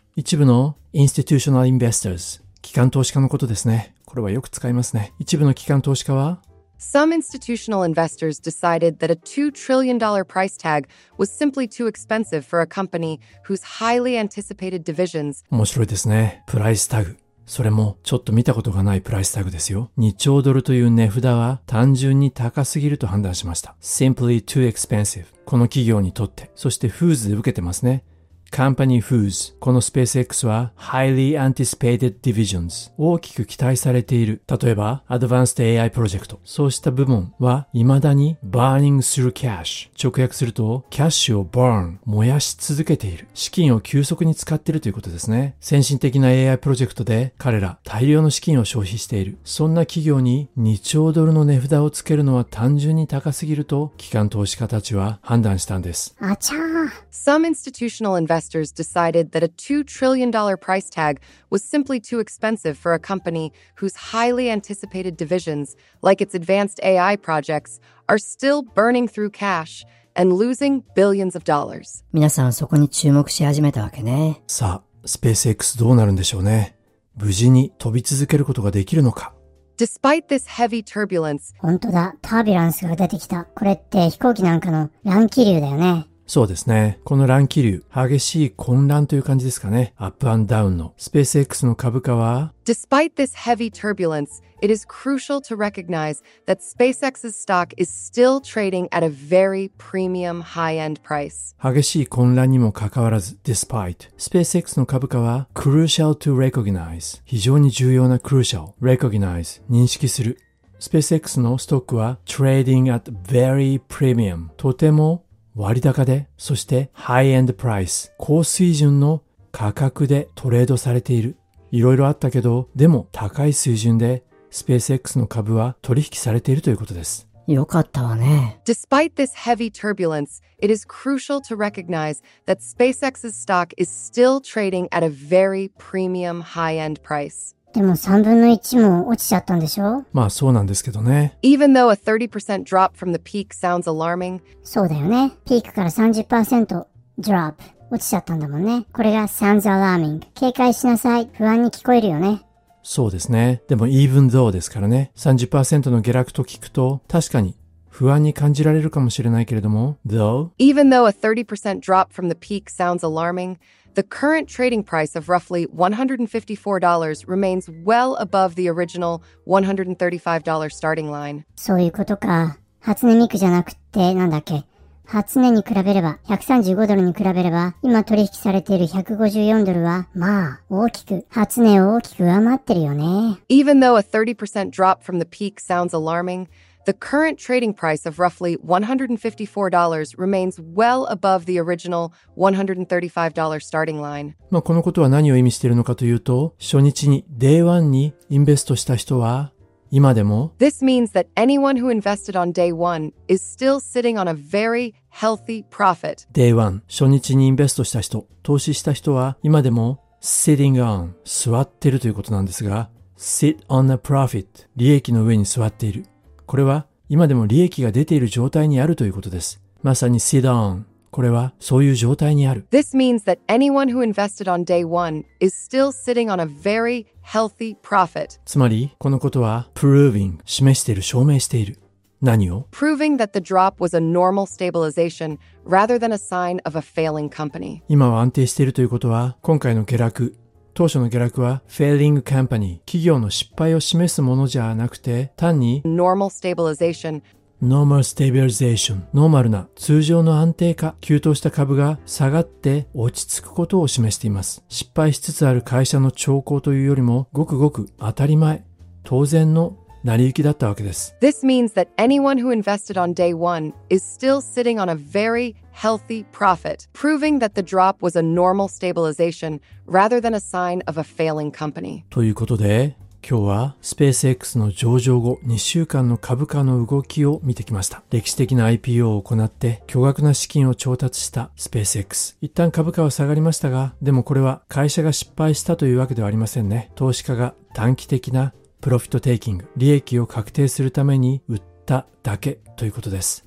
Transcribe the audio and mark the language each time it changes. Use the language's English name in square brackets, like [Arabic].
[Japanese] 一部の institutional investors 機関投資家のことですね。これはよく使いますね。一部の機関投資家は、 [English] Some institutional investors decided that a $2 trillion price tag was simply too expensive for a company whose highly anticipated divisions. [Japanese] 面白いですね。プライスタグ。それもちょっと見たことがないプライスタグですよ。2兆ドルという値札は単純に高すぎると判断しました。 [English] Simply too expensive. [Japanese] この企業にとって。そして Whose で受けてますね。 Company Whose. この SpaceX は [English] Highly Anticipated Divisions. [Japanese] 大きく期待されている。例えば Advanced AI Project. そうした部門は未だに [English] Burning Through Cash. [Japanese] 直訳すると Cash を Burn. 燃やし続けている。資金を急速に使っているということですね。先進的な AI プロジェクトで彼ら大量の資金を消費している。そんな企業に2兆ドルの値札をつけるのは単純に高すぎると機関投資家たちは判断したんです。あちゃー。 [English] Some institutional investors decided that a $2 trillion price tag was simply too expensive for a company whose highly anticipated divisions, like its advanced AI projects, are still burning through cash and losing billions of dollars. [Japanese] 皆さんそこに注目し始めたわけね。さあ、SpaceX どうなるんでしょうね。無事に飛び続けることができるのか。 [English] Despite this heavy turbulence, [Japanese] 本当だ、タービランスが出てきた。これって飛行機なんかの乱気流だよね。そうですね。この乱気流、激しい混乱という感じですかね。アップアンドダウンの。 SpaceX の株価は、 [English] Despite this heavy turbulence, it is crucial to recognize that SpaceX's stock is still trading at a very premium high-end price. [Japanese] 激しい混乱にもかかわらず、Despite, SpaceX の株価は、 [English] Crucial to recognize, [Japanese] 非常に重要な Crucial, Recognize, 認識する。 SpaceX のストックは、 [English] Trading at very premium, [Japanese] とても、割高で、そして high end price、高水準の価格でトレードされている。いろいろあったけど、でも高い水準で SpaceX の株は取引されているということです。よかったわね。 [English] Despite this heavy turbulence, it is crucial to recognize that SpaceX's stock is still trading at a very premium high end price. [Japanese] でも3分の1も落ちちゃったんでしょ？まあそうなんですけどね。 [English] Even though a 30% drop from the peak sounds alarming. [Japanese] そうだよね。ピークから 30% drop 落ちちゃったんだもんね。これが [English] sounds alarming。 [Japanese] 警戒しなさい。不安に聞こえるよね。そうですね。でも even though ですからね。30% の下落と聞くと確かに不安に感じられるかもしれないけれども、though。 [English] Even though a 30% drop from the peak sounds alarming. The current trading price of roughly $154 remains well above the original $135 starting line. [Japanese] そういうことか。初音ミクじゃなくて、なんだっけ。初音に比べれば、135ドルに比べれば、今取引されている154ドルは、まあ、大きく、初音を大きく上回ってるよね。 [English] Even though a 30% drop from the peak sounds alarming,The current trading price of roughly $154 remains well above the original $135 starting line. [Japanese] まあこのことは何を意味しているのかというと、初日に、Day 1にインベストした人は、今でも、 [English] This means that anyone who invested on Day 1 is still sitting on a very healthy profit. [Japanese] Day 1、初日にインベストした人、投資した人は、今でも、Sitting on、座っているということなんですが、 [English] Sit on a profit、 [Japanese] 利益の上に座っている。これは今でも利益が出ている状態にあるということです。まさに sit on。これはそういう状態にある。 [English] This means that anyone who invested on day one is still sitting on a very healthy profit. [Japanese] つまり、このことは proving、示している、証明している。何を? [English] Proving that the drop was a normal stabilization rather than a sign of a failing company. [Japanese] 今は安定しているということは、今回の下落。当初の下落は failing company 企業の失敗を示すものじゃなくて単に [English] normal stabilization normal stabilization [Japanese] ノーマルな通常の安定化急騰した株が下がって落ち着くことを示しています。失敗しつつある会社の兆候というよりもごくごく当たり前当然の成り行きだったわけです。 [English] This means that anyone who invested on day one is still sitting on a very healthy profit, proving that the drop was a normal stabilization rather than a sign of a failing company. [Japanese] ということで、今日はスペース X の上場後2週間の株価の動きを見てきました。歴史的な IPO を行って巨額な資金を調達したスペース X。一旦株価は下がりましたが、でもこれは会社が失敗したというわけではありませんね。投資家が短期的なプロフィットテイキング、利益を確定するために売っただけということです。